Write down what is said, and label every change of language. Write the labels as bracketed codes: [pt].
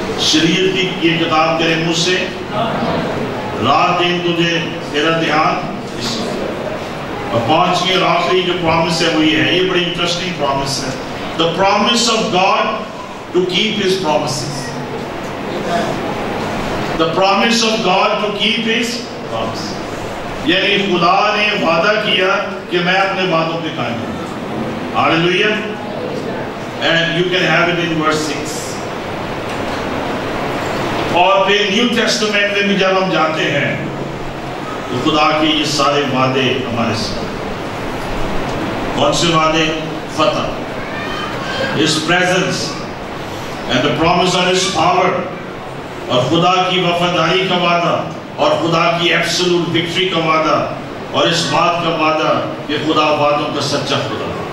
[ur] شریعت کی یہ کتاب تیرے منہ سے رات دن تجھے تیرا دھیان. اور پانچویں اور آخری جو پرامس ہے وہ یہ ہے، یہ بڑی انٹرسٹنگ پرامس ہے، [en] The promise of God to keep his promises. The promise of God to keep his promise. [ur] یعنی خدا نے وعدہ کیا کہ میں اپنے وعدوں پہ قائم ہوں. [en] Hallelujah. And you can have it in verse 6. [ur] اور پھر نیو ٹیسٹمنٹ میں بھی جب ہم جاتے ہیں تو خدا کے یہ سارے وعدے ہمارے ساتھ. کون سے وعدے؟ فتح، [en] his presence, and the promise of his power, [ur] اور خدا کی وفاداری کا وعدہ، اور خدا کی ایبسلوٹ وکٹری کا وعدہ، اور اس بات کا وعدہ کہ خدا وعدوں کا سچا خدا.